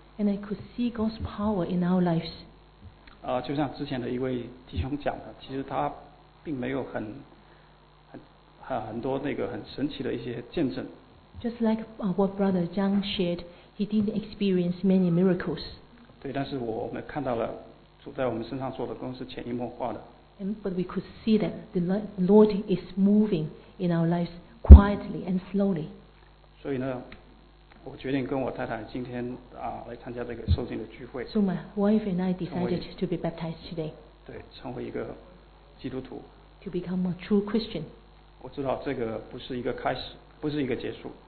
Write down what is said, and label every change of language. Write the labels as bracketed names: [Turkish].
[English] And I could see God's power in our lives. [Chinese] 就像之前的一位弟兄讲的，其实他并没有很多那个很神奇的一些见证。 [English] Just like what Brother Zhang shared, he didn't experience many miracles. [Chinese] 对，但是我们看到了主在我们身上做的工是潜移默化的。 [English] But we could see that the Lord is moving in our lives quietly and slowly. [Chinese] 所以呢，我决定跟我太太今天来参加这个受浸的聚会。 [English] So my wife and I decided to be baptized today. [Chinese] 对，成为一个基督徒。 [English] To become a true Christian. [Chinese] 我知道这个不是一个开始，不是一个结束。